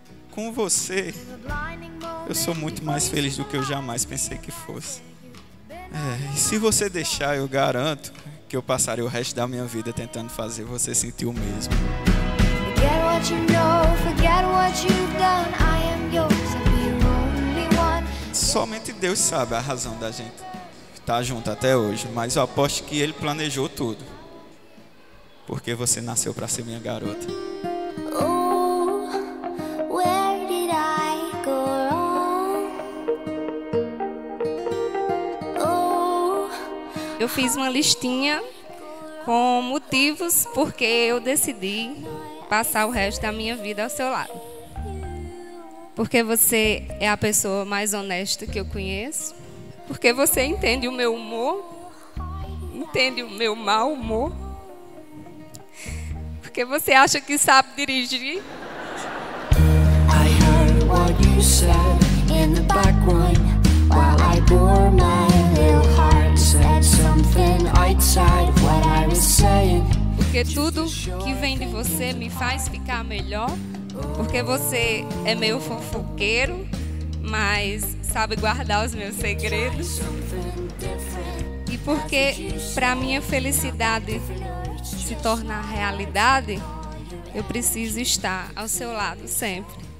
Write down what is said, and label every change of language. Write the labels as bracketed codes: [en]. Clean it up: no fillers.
[pt] com você, eu sou muito mais feliz do que eu jamais pensei que fosse. E se você deixar, eu garanto que eu passarei o resto da minha vida tentando fazer você sentir o mesmo. [en] Forget what you know, forget what you've done. I am yours, I'll be your only one. [pt] Somente Deus sabe a razão da gente estar junto até hoje, mas eu aposto que Ele planejou tudo. Porque você nasceu pra ser minha garota. [en] Oh, where did I go wrong? [pt] Oh, eu fiz uma listinha com motivos porque eu decidi passar o resto da minha vida ao seu lado. Porque você é a pessoa mais honesta que eu conheço. Porque você entende o meu humor. Entende o meu mau humor. Porque você acha que sabe dirigir? [en] I heard what you said in the back room while I bore my little heart, said something outside what I was saying. [pt] Porque tudo que vem de você me faz ficar melhor. Porque você é meio fofoqueiro, mas sabe guardar os meus segredos. E porque pra minha felicidade se tornar realidade, eu preciso estar ao seu lado sempre.